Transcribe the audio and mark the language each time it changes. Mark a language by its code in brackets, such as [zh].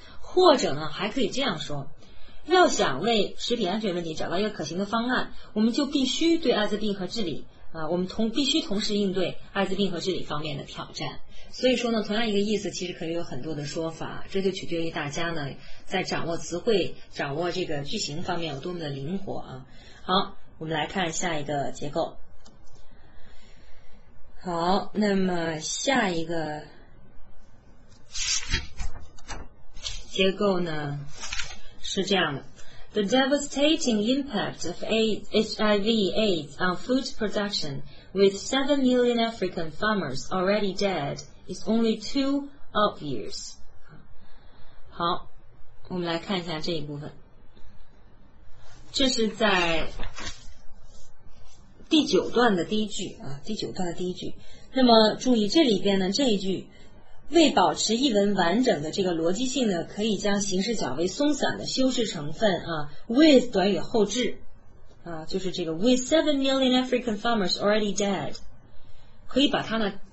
[zh] 或者呢还可以这样说，要想为食品安全问题找到一个可行的方案，我们就必须对艾滋病和治理啊，我们必须同时应对艾滋病和治理方面的挑战。所以说呢，同样一个意思其实可以有很多的说法，这就取决于大家呢在掌握词汇、掌握这个句型方面有多么的灵活啊。好，我们来看下一个结构。好，那么下一个结构呢是这样的， [en] The devastating impact of HIV/AIDS on food production with 7 million African farmers already deadIt's only too obvious. [zh] 好，我们来看一下这一部分。这是在第九段的第一句啊，第九段的第一句。那么注意这里边呢，这一句为保持译文完整的这个逻辑性呢，可以将形式较为松散的修饰成分啊 ，with 短语后置啊，就是这个 [en] with 7 million African farmers already dead， [zh] 可以把它呢。